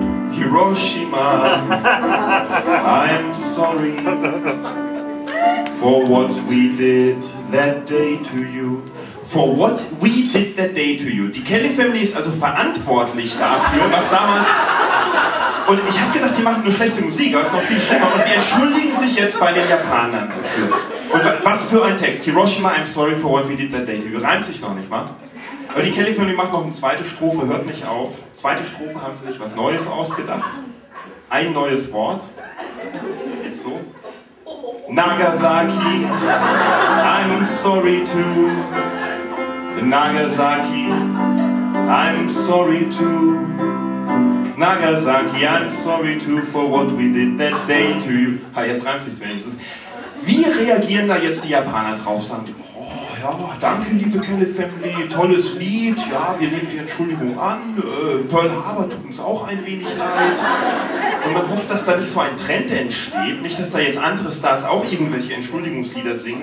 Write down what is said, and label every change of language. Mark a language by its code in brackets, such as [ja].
[en] Hiroshima, I'm sorry for what we did that day to you. For what we did that day to you. [de] Die Kelly Family ist also verantwortlich dafür, was damals. Und ich habe gedacht, die machen nur schlechte Musik, aber es ist noch viel schlimmer. Und sie entschuldigen sich jetzt bei den Japanern dafür. Und was für ein Text. [en] Hiroshima, I'm sorry for what we did that day to you. [de] Reimt sich noch nicht, wa? Aber die Kelly Family macht noch eine zweite Strophe, hört nicht auf. Zweite Strophe haben sie sich was Neues ausgedacht. Ein neues Wort. Jetzt so. [en] Nagasaki, I'm sorry too. Nagasaki, I'm sorry too. Nagasaki, I'm sorry too for what we did that day to you. [de] Ha, jetzt reimt sich's wenigstens. Wie reagieren da jetzt die Japaner drauf? Sagen die, oh ja, danke liebe Kelly Family, tolles Lied. Ja, wir nehmen die Entschuldigung an. Pearl Harbor tut uns auch ein wenig leid. Und man hofft, dass da nicht so ein Trend entsteht. Nicht, dass da jetzt andere Stars auch irgendwelche Entschuldigungslieder singen.